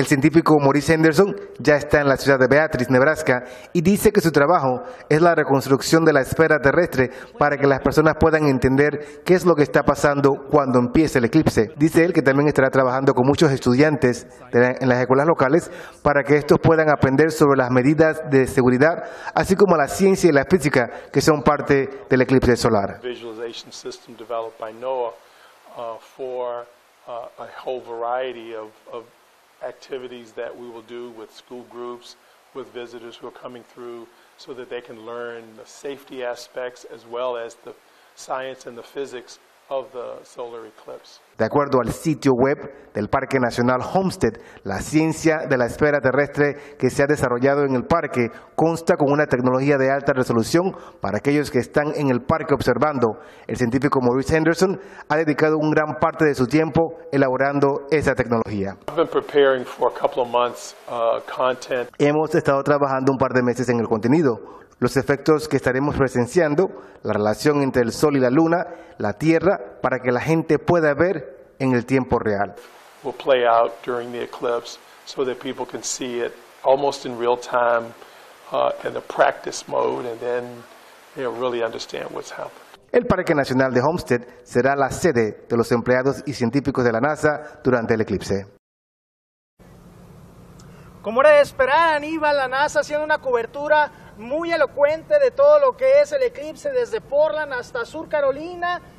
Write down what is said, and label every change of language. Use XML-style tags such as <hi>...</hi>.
<es>El científico Maurice Henderson ya está en la ciudad de Beatrice, Nebraska, y dice que su trabajo es la reconstrucción de la esfera terrestre para que las personas puedan entender qué es lo que está pasando cuando empiece el eclipse. Dice él que también estará trabajando con muchos estudiantes en las escuelas locales para que estos puedan aprender sobre las medidas de seguridad, así como la ciencia y la física que son parte del eclipse solar.</es> <en>Visualization system developed by NOAA for a whole variety of activities that we will do with school groups, with visitors who are coming through, so that they can learn the safety aspects as well as the science and the physics of the solar eclipse.</en> <es>De acuerdo al sitio web del Parque Nacional Homestead, la ciencia de la esfera terrestre que se ha desarrollado en el parque consta con una tecnología de alta resolución para aquellos que están en el parque observando. El científico Maurice Henderson ha dedicado un gran parte de su tiempo elaborando esa tecnología. Hemos estado trabajando un par de meses en el contenido, los efectos que estaremos presenciando, la relación entre el sol y la luna, la tierra, para que la gente pueda ver en el tiempo real.</es> <en>Will play out during the eclipse, so that people can see it almost in real time in the practice mode, and then they'll really understand what's happened.</en> <es>El Parque Nacional de Homestead será la sede de los empleados y científicos de la NASA durante el eclipse. Como era de esperar, Aníbal, la NASA haciendo una cobertura muy elocuente de todo lo que es el eclipse desde Portland hasta Sur Carolina.</es>